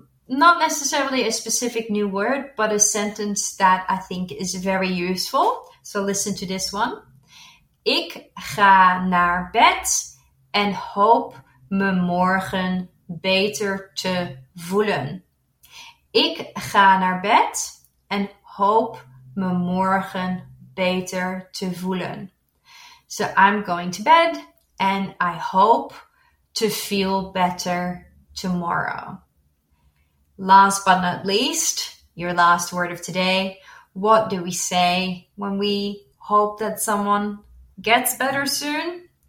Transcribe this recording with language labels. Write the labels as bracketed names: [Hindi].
[English] Not necessarily a specific new word, but a sentence that I think is very useful. So listen to this one. [Dutch] Ik ga naar bed en hoop me morgen beter te voelen. Ik ga naar bed en hoop me morgen beter te voelen. [English] So I'm going to bed and I hope to feel better tomorrow. Last but not least, your last word of today. What do we say when we hope that someone gets better soon?